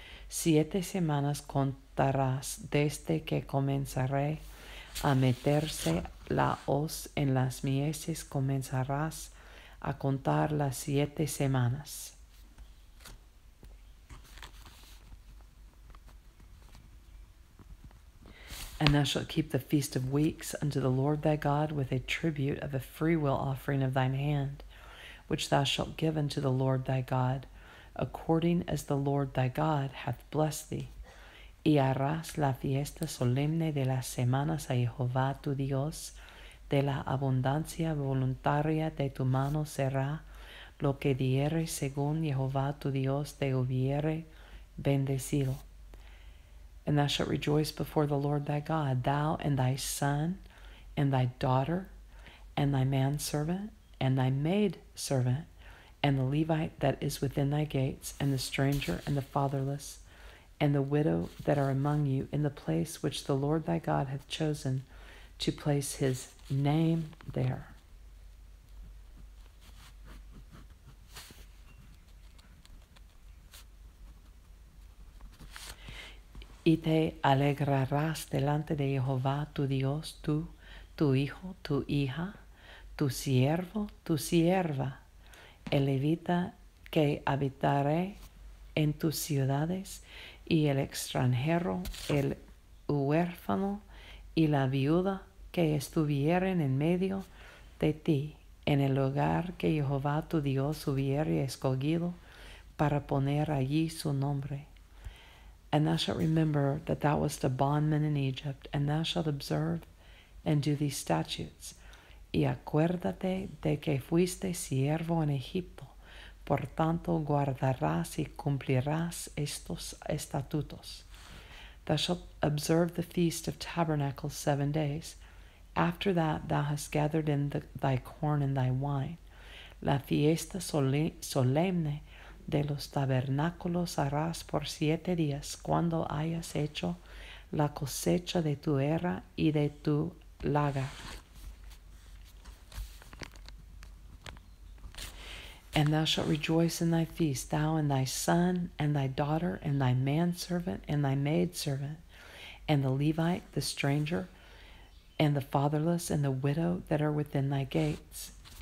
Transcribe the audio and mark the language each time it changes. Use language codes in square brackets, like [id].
[es] 7 semanas contarás desde que comenzaré a meterse la hoz en las mieses, comenzarás a contar las 7 semanas. [en] And thou shalt keep the feast of weeks unto the Lord thy God with a tribute of a freewill offering of thine hand, which thou shalt give unto the Lord thy God, according as the Lord thy God hath blessed thee. [es] Y harás la fiesta solemne de las semanas a Jehová tu Dios, de la abundancia voluntaria de tu mano será lo que diere según Jehová tu Dios te hubiere bendecido. [en] And thou shalt rejoice before the Lord thy God, thou and thy son, and thy daughter, and thy manservant, and thy maidservant, and the Levite that is within thy gates, and the stranger, and the fatherless, and the widow that are among you, in the place which the Lord thy God hath chosen to place his name there. [es] Y te alegrarás delante de Jehová tu Dios, tú, tu hijo, tu hija, tu siervo, tu sierva, el levita que habitaré en tus ciudades, y el extranjero, el huérfano y la viuda que estuvieren en medio de ti, en el lugar que Jehová tu Dios hubiere escogido para poner allí su nombre. [en] And thou shalt remember that thou wast a bondman in Egypt, and thou shalt observe and do these statutes. [es] Y acuérdate de que fuiste siervo en Egipto, por tanto guardarás y cumplirás estos estatutos. [en] Thou shalt observe the feast of tabernacles 7 days. After that thou hast gathered in thy corn and thy wine. [es] La fiesta solemne de los tabernáculos harás por 7 días, cuando hayas hecho la cosecha de tu era y de tu lagar. [en] And thou shalt rejoice in thy feast, thou and thy son and thy daughter and thy manservant and thy maidservant and the Levite, the stranger, and the fatherless and the widow that are within thy gates.